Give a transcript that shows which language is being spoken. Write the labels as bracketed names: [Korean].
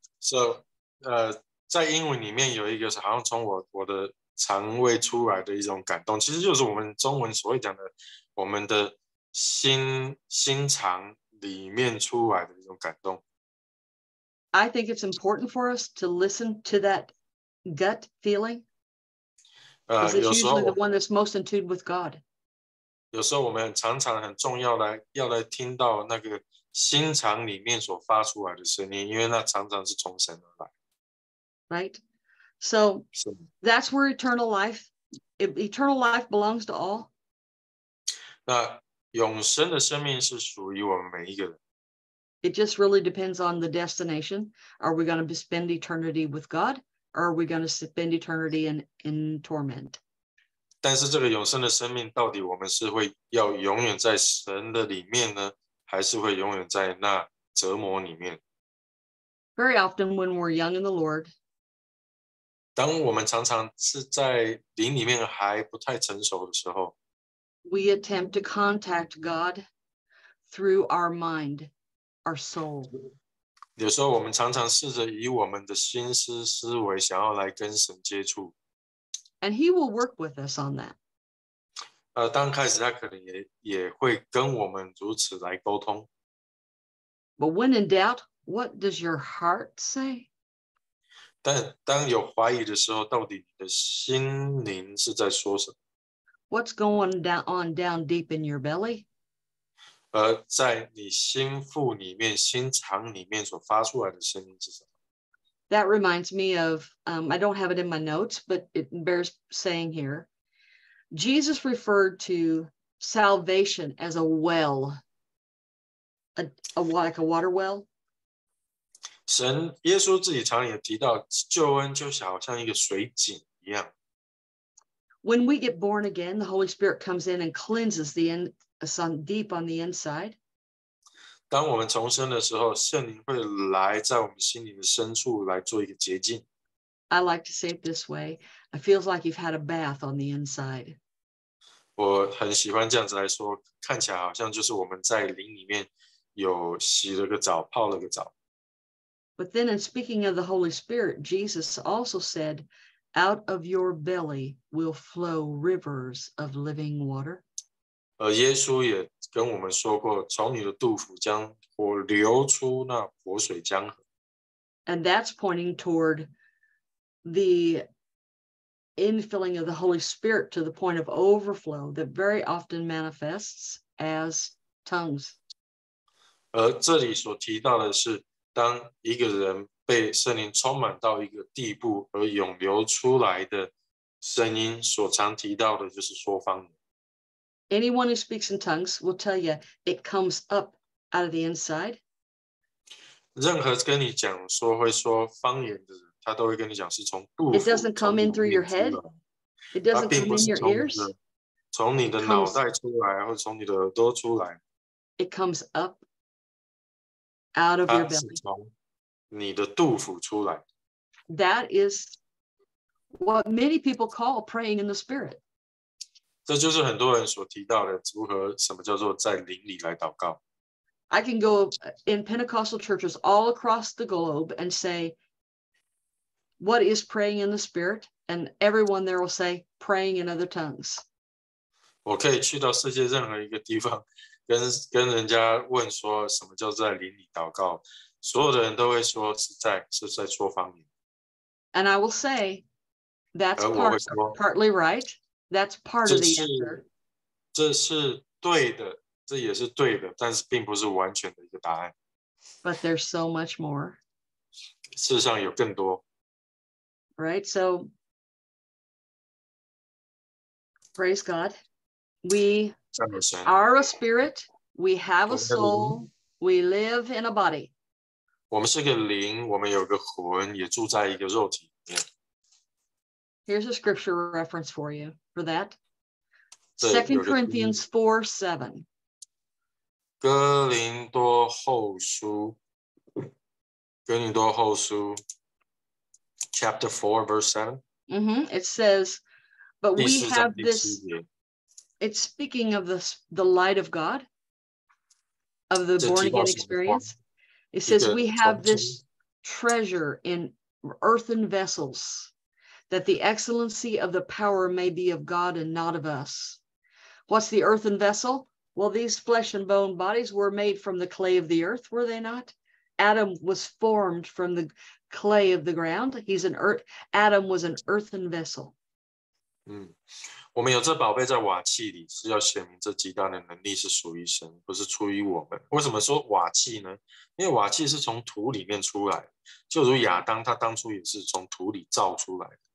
[Chinese] So, 在英文里面有一个好像从我的肠胃出来的一种感动，其实就是我们中文所谓讲的我们的心肠里面出来的一种感动。 [English] I think it's important for us to listen to that gut feeling. Because it's usually the one that's most in tune with God. [Chinese] 有时候我们常常很重要来，要来听到那个心肠里面所发出来的声音，因为那常常是从神而来。 [English] Right? So that's where eternal life belongs to all. [Chinese] 那永生的生命是属于我们每一个人。 [English] It just really depends on the destination. Are we going to spend eternity with God, or are we going to spend eternity in torment? [Chinese] 但是这个永生的生命，到底我们是会要永远在神的里面呢，还是会永远在那折磨里面？ [English] Very often when we're young in the Lord, [Chinese] 当我们常常是在灵里面还不太成熟的时候， [English] we attempt to contact God through our mind, our soul. [Chinese] 有时候我们常常试着以我们的心思思维想要来跟神接触。 [English] And he will work with us on that. [Chinese] 当开始他可能也会跟我们如此来沟通。 [English] But when in doubt, what does your heart say? [Chinese] 但当有怀疑的时候，到底你的心灵是在说什么？ [English] What's going on down deep in your belly? [Chinese] 在你心腹里面、心肠里面所发出来的声音是什么？ [English] That reminds me of, I don't have it in my notes, but it bears saying here. Jesus referred to salvation as a well, like a water well. [Chinese] 神耶稣自己常也提到，救恩就是好像一个水井一样。 [English] When we get born again, the Holy Spirit comes in and cleanses deep on the inside. [Chinese] 当我们重生的时候，圣灵会来在我们心里的深处来做一个洁净。 [English] I like to say it this way. It feels like you've had a bath on the inside. [Chinese] 我很喜欢这样子来说，看起来好像就是我们在灵里面有洗了个澡，泡了个澡。 [English] But then in speaking of the Holy Spirit, Jesus also said, out of your belly will flow rivers of living water. [Chinese] 耶稣也跟我们说过，从你的肚腹将活流出那活水江河。 [English] And that's pointing toward the infilling of the Holy Spirit to the point of overflow that very often manifests as tongues. [Chinese] 而这里所提到的是，当一个人被圣灵充满到一个地步而涌流出来的声音，所常提到的就是说方言。 [English] Anyone who speaks in tongues will tell you it comes up out of the inside. [Chinese] 任何跟你讲说会说方言的人，他都会跟你讲是从肚 [English] 腹。It doesn't come in through your head. It doesn't come in your ears. [Chinese] 从你的脑袋出来，或从你的耳朵出来。 [English] It comes up out of your belly. [Chinese] 它是从你的肚腹出来。 [English] That is what many people call praying in the spirit. [Chinese] 这就是很多人所提到的如何什么叫做在灵里来祷告。 [English] I can go in Pentecostal churches all across the globe and say, what is praying in the spirit? And everyone there will say, praying in other tongues. [Chinese] 我可以去到世界任何一个地方 跟人家问说什么叫在灵里祷告。所有的人都会说是在说方言。 [English] And I will say, that's partly right. That's part of the answer. [Chinese] 这是对的，这也是对的，但是并不是完全的一个答案。 [English] But there's so much more. [Chinese] 事实上有更多。 [English] Right, so praise God. We are a spirit, we have a soul, we live in a body. [Chinese] 我们是个灵，我们有个魂，也住在一个肉体。 [English] Here's a scripture reference for you for that. 2 Corinthians 4, 7. [Chinese] 哥林多后书 [English] chapter 4, verse 7. Mm-hmm. It says, but we have this, it's speaking of the light of God, of the born again experience. It says, we have this treasure in earthen vessels. That the excellency of the power may be of God and not of us. What's the earthen vessel? Well, these flesh and bone bodies were made from the clay of the earth, were they not? Adam was formed from the clay of the ground. Adam was an earthen vessel. [Chinese] 我们有这宝贝在瓦器里，是要显明这极大的能力是属于神，不是出于我们。为什么说瓦器呢？因为瓦器是从土里面出来，就如亚当他当初也是从土里造出来。